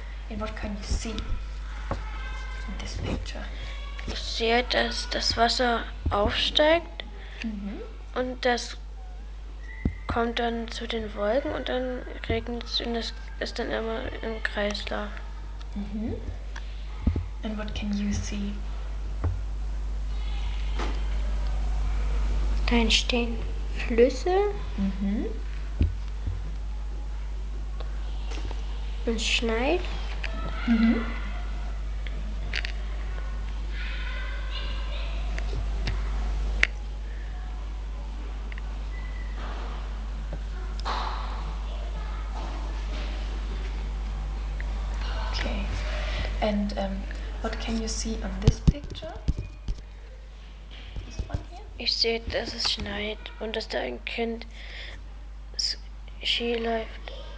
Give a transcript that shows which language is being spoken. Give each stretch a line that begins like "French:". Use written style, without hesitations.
English: And what can you see in this picture?
German: Ich sehe, dass das Wasser aufsteigt, mm-hmm. und das kommt dann zu den Wolken und dann regnet es und das ist dann immer im Kreislauf.
English: Mm-hmm. And what can you see?
German: Da entstehen Flüsse. Mm-hmm. Und schneit. Mhm. Okay.
English: And what can you see on this picture? This one here?
German: Ich sehe, dass es schneit und dass da ein Kind Ski läuft.